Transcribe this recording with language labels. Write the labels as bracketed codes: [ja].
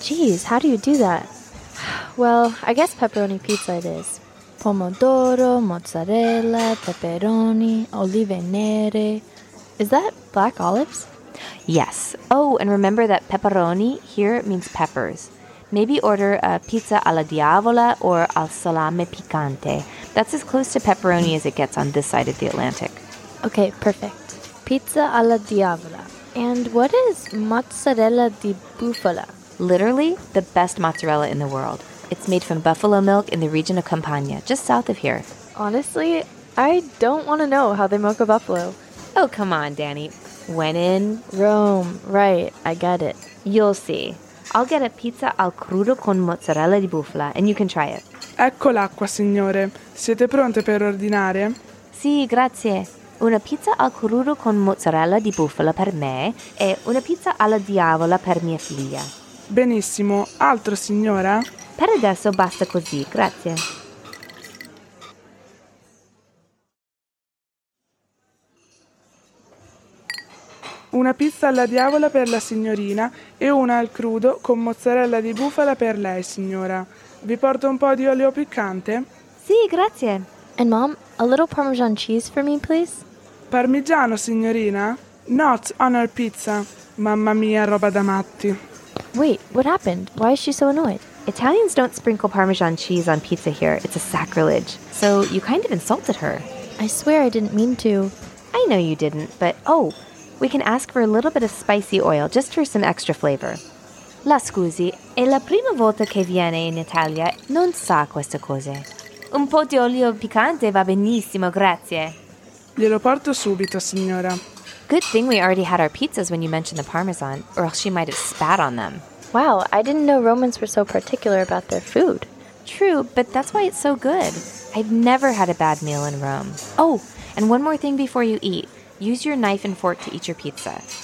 [en] Jeez, how do you do that? Well, I guess pepperoni pizza it is. [it] Pomodoro, mozzarella, pepperoni, olive nere. [en] Is that black olives? Yes. Oh, and remember that pepperoni here means peppers. Maybe order a pizza alla diavola or [it] al salame piccante. [en] That's as close to pepperoni as it gets on this side of the Atlantic. Okay, perfect. Pizza alla diavola. And what is mozzarella di bufala? Literally, the best mozzarella in the world. It's made from buffalo milk in the region of Campania, just south of here. Honestly, I don't want to know how they milk a buffalo. Oh, come on, Danny. When in? Rome, right. I get it. You'll see. I'll get a pizza al crudo con mozzarella di bufala, and you can try it. [it] Ecco l'acqua, signore. Siete pronte per ordinare? Sì, grazie. Una pizza al crudo con mozzarella di bufala per me e una pizza alla diavola per mia figlia. Benissimo. Altro, signora? Per adesso basta così, grazie. Una pizza alla diavola per la signorina e una al crudo con mozzarella di bufala per lei, signora. Vi porto un po' di olio piccante? Sì, grazie. [en] And mom, a little parmesan cheese for me, please? [it] Parmigiano, signorina? [en] Not on our pizza. [it] Mamma mia, roba da matti. [en] Wait, what happened? Why is she so annoyed? Italians don't sprinkle Parmesan cheese on pizza here. It's a sacrilege. So you kind of insulted her. I swear I didn't mean to. I know you didn't, but oh, we can ask for a little bit of spicy oil just for some extra flavor. [it] La scusi, è la prima volta che viene in Italia, non sa queste cose. Un po' di olio piccante va benissimo, grazie. Glielo porto subito, signora. [en] Good thing we already had our pizzas when you mentioned the Parmesan, or else she might have spat on them. Wow, I didn't know Romans were so particular about their food. True, but that's why it's so good. I've never had a bad meal in Rome. Oh, and one more thing before you eat. Use your knife and fork to eat your pizza.